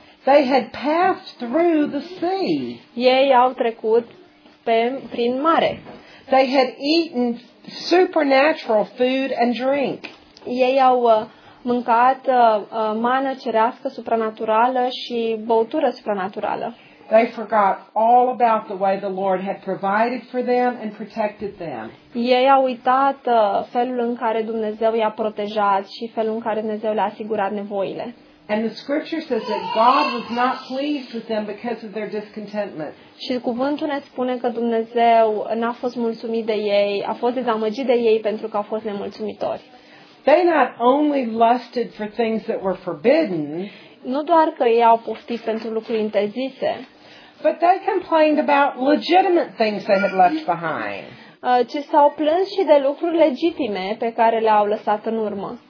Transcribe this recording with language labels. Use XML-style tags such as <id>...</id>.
<en>They had passed through the sea.</en> <ro>Ei au trecut prin mare.</ro> <en>They had eaten supernatural food and drink.</en> <ro>Ei au mâncat mană cerească supranaturală și băutură supranaturală.</ro> <en>They forgot all about the way the Lord had provided for them and protected them.</en> <ro>Ei au uitat felul în care Dumnezeu i-a protejat și felul în care Dumnezeu le-a asigurat nevoile.</ro> <en>And the scripture says that God was not pleased with them because of their discontentment.</en> <ro>Și cuvântul ne spune că Dumnezeu n-a fost mulțumit de ei, a fost dezamăgit de ei pentru că au fost nemulțumitori.</ro> <en>They not only lusted for things that were forbidden,</en> <ro>nu doar că ei au poftit pentru lucruri interzise,</ro> <en>but they complained about legitimate things they had left behind.</en> <ro>Ci s-au plâns și de lucruri legitime pe care le-au lăsat în urmă.</ro>